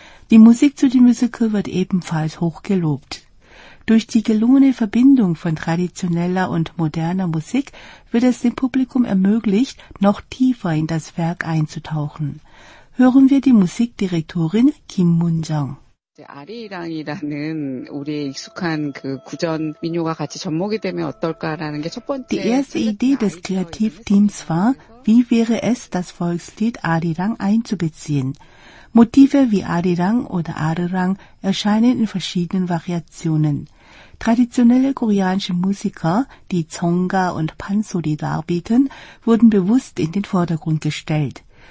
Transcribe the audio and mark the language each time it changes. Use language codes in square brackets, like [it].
[de] Die Musik zu dem Musical wird ebenfalls hochgelobt. Durch die gelungene Verbindung von traditioneller und moderner Musik wird es dem Publikum ermöglicht, noch tiefer in das Werk einzutauchen. Hören wir die Musikdirektorin Kim Mun-jung. [ko] 아리랑이라는 우리의 익숙한 그 구전 민요가 같이 접목이 되면 어떨까라는 게 첫 번째. [de] Die erste Idee des Kreativteams war, wie wäre es, das Volkslied Arirang einzubeziehen? Motive wie Arirang oder Arirang erscheinen in verschiedenen Variationen. Traditionelle koreanische Musiker, die Jeonga und Bansori darbieten, wurden bewusst in den Vordergrund gestellt.